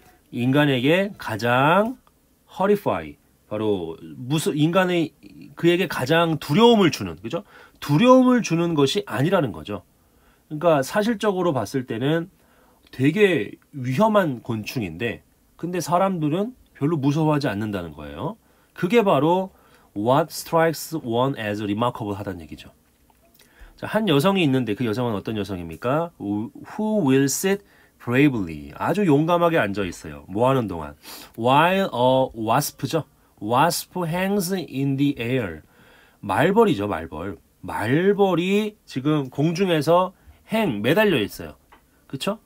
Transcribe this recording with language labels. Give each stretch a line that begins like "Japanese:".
Korean: 인간에게 가장 horrify, 바로 무슨 인간의 그에게 가장 두려움을 주는, 그죠? 두려움을 주는 것이 아니라는 거죠. 그러니까 사실적으로 봤을 때는 되게 위험한 곤충인데 근데 사람들은 별로 무서워하지 않는다는 거예요. 그게 바로
English: what strikes one as remarkable
Korean: 하다는 얘기죠. 자, 한 여성이 있는데 그 여성은 어떤 여성입니까?
English: Who will sit bravely?
Korean: 아주 용감하게 앉아 있어요. 뭐 하는 동안?
English: While a wasp죠. Wasp hangs in the air.
Korean: 말벌이죠, 말벌. 말벌이 지금 공중에서 hang, 매달려 있어요. 그쵸?